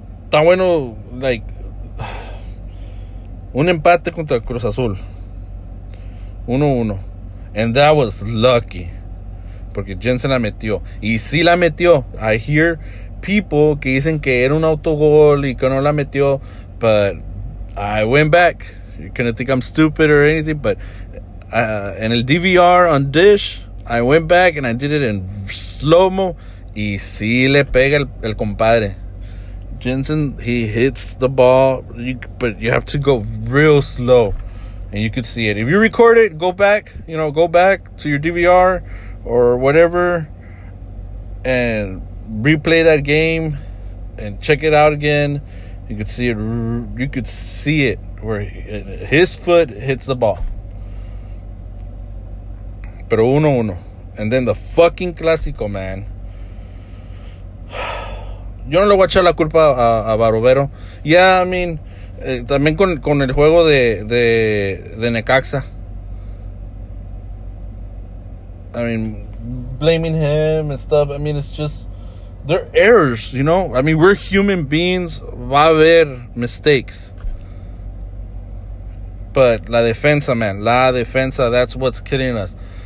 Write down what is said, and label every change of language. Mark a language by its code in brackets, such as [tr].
[es] Tan bueno, like, un empate contra Cruz Azul. 1-1. [en] And that was lucky. [es] Porque Jensen la metió. Y sí la metió. [en] I hear people [es] que dicen que era un autogol y que no la metió. [en] But I went back. You're going to think I'm stupid or anything. But in el DVR on Dish, I went back and I did it in slow-mo. [es] Y sí le pega el compadre. Jensen, [en] he hits the ball. But you have to go real slow. And you could see it. If you record it, go back. You know, go back to your DVR or whatever, and replay that game and check it out again. You could see it. You could see it where his foot hits the ball. Pero 1-1. And then the fucking clásico, man. [es] Yo no le voy a echar la culpa a Barovero. [en] Yeah, I mean, [es] también con el juego de Necaxa. [en] I mean, blaming him and stuff. I mean, it's just, they're errors, you know? I mean, we're human beings. [es] Va a haber [en] mistakes. But la defensa, man. La defensa, that's what's killing us.